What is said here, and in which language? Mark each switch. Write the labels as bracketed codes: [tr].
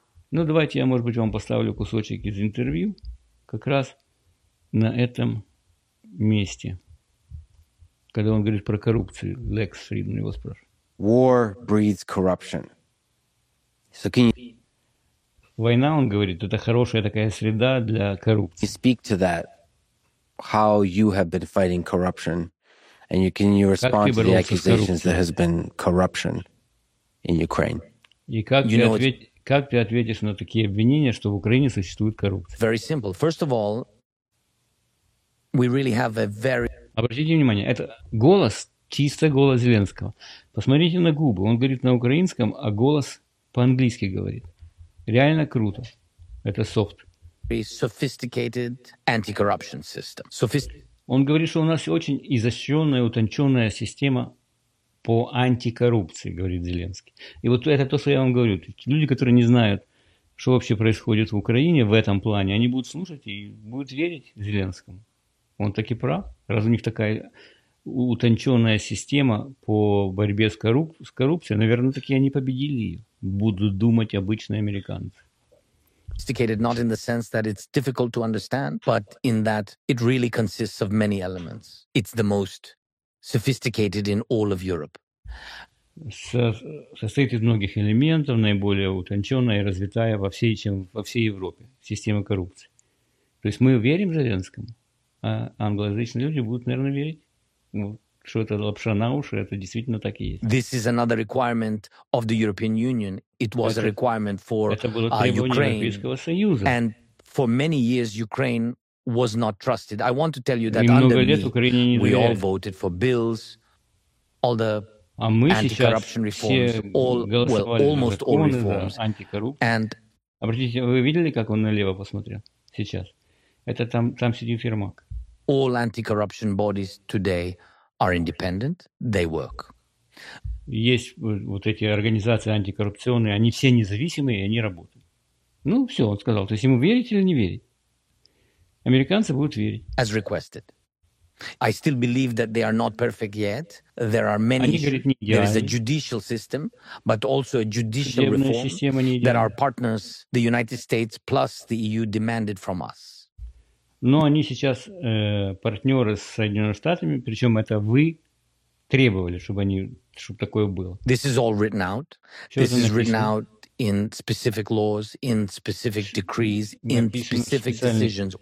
[ru] Ну давайте я, может быть, вам поставлю кусочек из интервью как раз на этом месте, когда он говорит про коррупцию. Лекс Фридман его спрашивает. [en] War breeds corruption. So can you... [ru] Война, он говорит, это хорошая такая среда для коррупции. [en] Speak to that. How you have been fighting corruption, and you, can you respond to the accusations that has been corruption in Ukraine? [ru] И как [en] you [ru] ты [en] know, [ru] ответь, как ты ответишь на такие обвинения, что в Украине существует коррупция? [en] Very simple. First of all, we really have a very... [ru] Обратите внимание, это голос, чисто голос Зеленского. Посмотрите на губы, он говорит на украинском, а голос по-английски говорит. Реально круто. Это софт. [en] Sophisticated anti-corruption system. [ru] Он говорит, что у нас очень изощренная, утонченная система по антикоррупции, говорит Зеленский. И вот это то, что я вам говорю. Люди, которые не знают, что вообще происходит в Украине в этом плане, они будут слушать и будут верить Зеленскому. Он так и прав. Раз у них такая утонченная система по борьбе с коррупцией, наверное, таки они победили ее, будут думать обычные американцы. [en] Not in the sense that it's difficult to understand, but in that it really consists of many elements. It's the most sophisticated in all of Europe. [ru] Состоит из многих элементов, наиболее утонченная и развитая во всей Европе система коррупции. То есть мы верим Зеленскому, а англоязычные люди будут, наверное, верить, что это лапша на уши, это действительно так и есть. [en] This is another requirement of the European Union. It was a requirement for Ukraine, and for many years Ukraine was not trusted. I want to tell you that under me, we all voted for bills, all the anti-corruption reforms, all well, almost all reforms. [ru] And обратите, вы видели, как он налево посмотрел сейчас? Это там сидит Ермак. [en] All anti-corruption bodies today are independent. They work. [ru] есть вот эти организации антикоррупционные, они все независимые, и они работают. Ну, все, он сказал. То есть ему верить или не верить? Американцы будут верить. [en] As requested. I still believe that they are not perfect yet. There are many. There is a judicial system, but also a judicial reform that our partners, the United States plus the EU, demanded from us. [ru] Но они сейчас партнеры с Соединенными Штатами, причем это вы требовали, чтобы они, чтобы такое было. [en] This is all written out. This is written out in specific laws, in specific decrees, in specific decisions.